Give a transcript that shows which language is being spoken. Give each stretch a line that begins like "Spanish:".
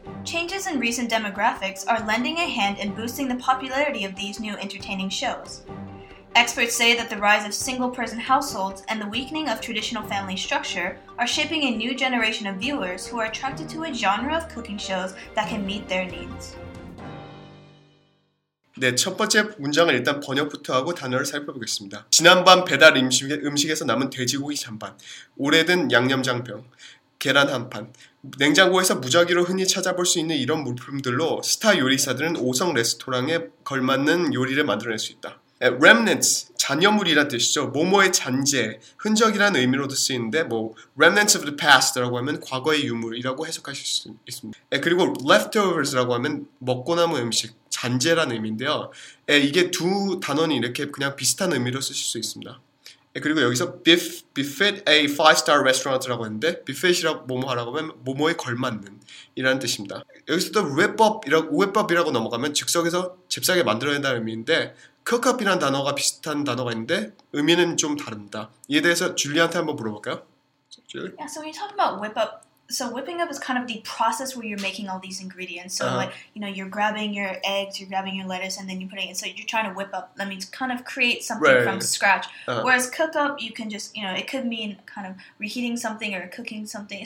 English: Changes in recent demographics are lending a hand in boosting the popularity of these new entertaining shows. Experts say that the rise of single-person households and the weakening of traditional family structure are shaping a new generation of viewers who are attracted to a genre of cooking shows that can meet their needs.
Korean: 네, 첫 번째 문장을 일단 번역부터 하고 단어를 살펴보겠습니다. 지난밤 배달 음식에서 남은 돼지고기 찬반, 오래된 양념장병, 계란 한 판, 냉장고에서 무작위로 흔히 찾아볼 수 있는 이런 물품들로 스타 요리사들은 5성 레스토랑에 걸맞는 요리를 만들어낼 수 있다. Remnants, 잔여물이란 뜻이죠. 뭐뭐의 잔재, 흔적이란 의미로도 쓰이는데 뭐
English: Remnants of the past
Korean: 라고 하면 과거의 유물이라고 해석하실 수 있습니다. 그리고 Leftovers라고 하면 먹고 남은 음식, 잔재란 의미인데요. 이게 두 단어는 이렇게 그냥 비슷한 의미로 쓰실 수 있습니다. 그리고 여기서
English: befit a five-star restaurant
Korean: 라고 했는데 befit이라고 뭐뭐하라고 하면 뭐뭐에 걸맞는 이라는 뜻입니다. 여기서도 whip up이라고 넘어가면 즉석에서 잽싸게 만들어낸다는 의미인데 cook up이라는 단어가 비슷한 단어가 있는데 의미는 좀 다릅니다. 이에 대해서 줄리한테 한번 물어볼까요?
English: Yeah, so when you talk about whip up, so whipping up is kind of the process where you're making all these ingredients. So like, you know, you're grabbing your eggs, you're grabbing your lettuce, and then you're putting it. So you're trying to whip up. That means kind of create something right. from scratch. Whereas cook up, you can just, you know, it could mean kind of reheating something or cooking something.